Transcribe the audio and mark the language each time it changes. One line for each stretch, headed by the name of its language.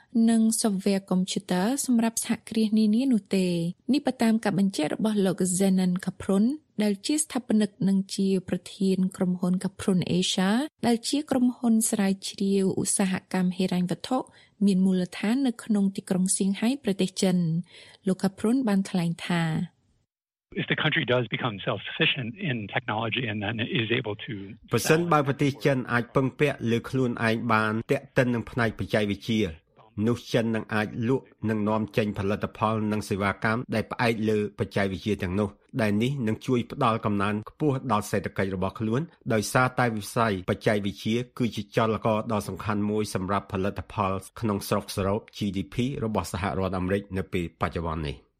Khmer: និង software computer សម្រាប់សហគ្រាសនានានោះទេនេះតាមការបញ្ជាក់របស់លោក Zenon Kaprun ដែលជាស្ថាបនិកនិងជាប្រធានក្រុមហ៊ុន Kaprun Asia ដែលជាក្រុមហ៊ុនស្រាវជ្រាវឧស្សាហកម្មហិរញ្ញវត្ថុមានមូលដ្ឋាននៅក្នុងទីក្រុងសៀងហៃប្រទេសចិនលោក Kaprun បានថ្លែងថា
English: If the country does become self-sufficient in technology and then is able to
Khmer: ប្រសិនបើប្រទេសចិនអាចពឹងពាក់លើខ្លួនឯងបានតក្កិននឹងផ្នែកបច្ចេកវិទ្យានោះចិននឹងអាចលក់និងនាំចេញផលិតផលនិងសេវាកម្មដែលផ្អែកលើបច្ចេកវិទ្យាទាំងនោះដែលនេះនឹងជួយផ្ដល់កំណើនខ្ពស់ដល់សេដ្ឋកិច្ចរបស់ខ្លួនដោយសារតែវិស័យបច្ចេកវិទ្យាគឺជាចលករដ៏សំខាន់មួយសម្រាប់ផលិតផលក្នុងស្រុកសរុប GDP របស់សហរដ្ឋអាមេរិកនៅពេលបច្ចុប្បន្ននេះ